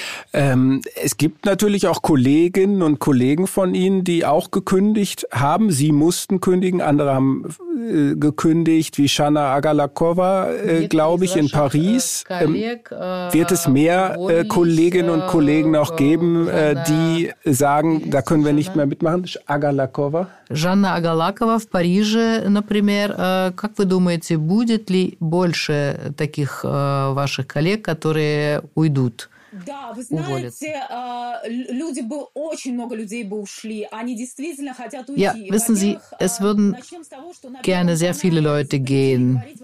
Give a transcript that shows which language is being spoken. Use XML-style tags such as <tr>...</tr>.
<de>Es gibt natürlich auch Kolleginnen und Kollegen von Ihnen, die auch gekündigt haben. Sie mussten kündigen, andere haben gekündigt, wie Shanna Agalakova, glaube ich, in Paris. Wird es mehr Kolleginnen und Kollegen noch geben, die sagen, da können wir nicht mehr mitmachen? Agalakova?</de> <ru>Shanna Agalakova в Париже, например. Как вы думаете, будет ли больше таких ваших коллег, которые уйдут? Да, вы знаете, люди бы очень много людей бы ушли, они действительно хотят уйти.</ru> <de>Ja, wissen Sie, es würden gerne sehr viele Leute gehen.</de>